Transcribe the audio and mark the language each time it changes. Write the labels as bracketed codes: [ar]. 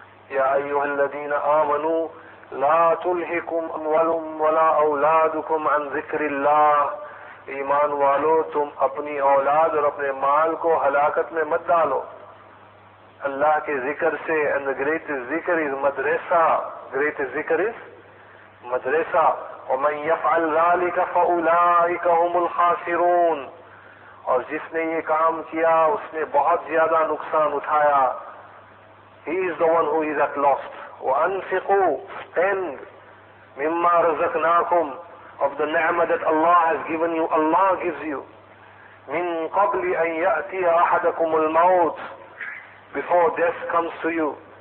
[ar] Ya ayyuhal ladina amanu, لا تلهكم أموالكم ولا أولادكم عن ذكر الله. [ur] ایمان والو تم اپنی اولاد اور اپنے مال کو ہلاکت میں مت ڈالو اللہ کے ذکر سے. [en] And the greatest ذکر is مدرسہ. Greatest ذکر is مدرسہ. [ar] ومن يفعل ذلك فأولئك هم الخاسرون. [ur] اور جس نے یہ کام کیا اس نے بہت زیادہ نقصان اٹھایا. [en] He is the one who is at lost. [ar] وَأَنفِقُوا, [en] spend, [ar] مِمَّا رَزَقْنَاكُمْ, [en] of the ni'mah that Allah has given you, Allah gives you. [ar] مِن قَبْلِ أَن يَأْتِيَ أَحَدَكُمُ الْمَوْتِ, [en] before death comes to you.